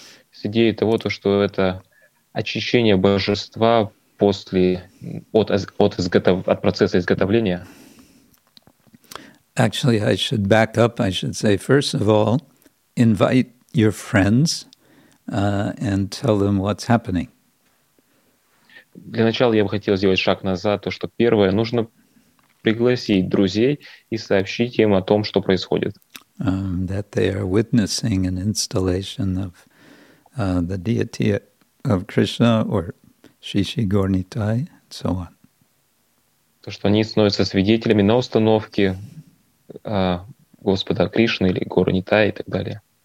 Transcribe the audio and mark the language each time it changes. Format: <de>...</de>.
<ru>С идеей того, что это очищение божества после от процесса изготовления.</ru> <en>Actually, I should back up. I should say, first of all, invite your friends and tell them what's happening.</en> <ru>Для начала я бы хотел сделать шаг назад, то что первое, нужно пригласить друзей и сообщить им о том, что происходит.</ru> <en>That they are witnessing an installation of the deity of Krishna or Shishi Gornitai, and so on.</en> <ru>То, что они становятся свидетелями на установке Господа Кришны или Горнитая и так далее.</ru>